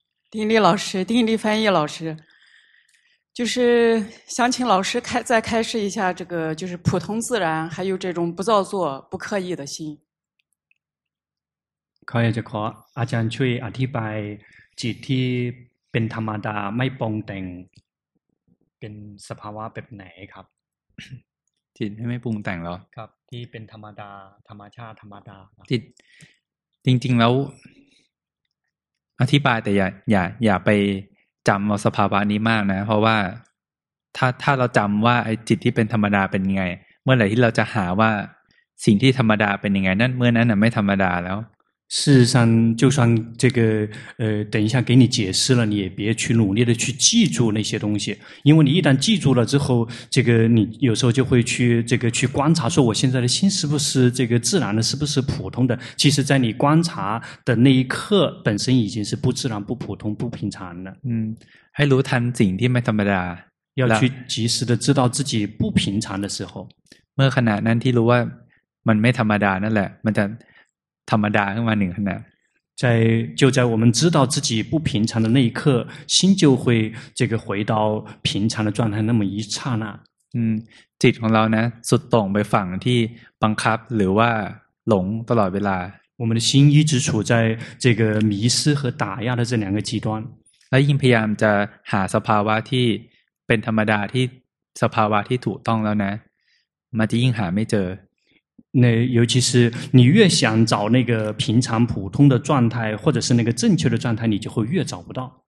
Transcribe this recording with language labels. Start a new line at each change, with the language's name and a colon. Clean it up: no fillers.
Chinese: 丁力老师丁力翻译老师就是想请老师再开示一下这个就是普通自然还有这种不造作不刻意的心
Thai: ขออยากจะขออาจารย์ช่วยอธิบายจิตที่เป็นธรรมดาไม่ปรุงแต่งเป็นสภาวะแบบไหนครับ จิตที่ไม่ปรุงแต่งเหรอ ครับที่เป็นธรรมดาธรรมชาติธรรมดา จิตจริงๆแล้วอธิบายแต่อย่าไปจำเอาสภาวะนี้มากนะเพราะว่าถ้าเราจำว่าไอ้จิตที่เป็นธรรมดาเป็นยังไงเมื่อไหร่ที่เราจะหาว่าสิ่งที่ธรรมดาเป็นยังไงนั่นเมื่อนั้นน่ะไม่ธรรมดาแล้ว
Chinese: 事实上就算这个等一下给你解释了你也别去努力的去记住那些东西因为你一旦记住了之后这个你有时候就会去这个去观察说我现在的心是不是这个自然的是不是普通的其实在你观察的那一刻本身已经是不自然不普通不平常了还如谈景点没怎么的要去及时的知道自己不平常的时候
Thai: เมื่อขณะนั้นที่รู้ว่ามันไม่ธรรมดานั่นแหละมันจะธรรมดาขึ้นมาหนึ่งขนาด
Chinese: 就在我们知道自己不平常的那一刻心就会这个回到平常的状态那么一刹那
Thai: จิตของเรานะสุดตรงไปฝั่งที่บังคับหรือว่าหลงตลอดเวลา
Chinese: 我们的心一直处在这个迷失和打压的这两个极端
Thai: และยิ่งพยายามจะหาสภาวะที่เป็นธรรมดาที่สภาวะที่ถูกต้องแล้วนะมันจะยิ่งหาไม่เจอ
Chinese: 那尤其是你越想找那个平常普通的状态或者是那个正确的状态你就会越找不到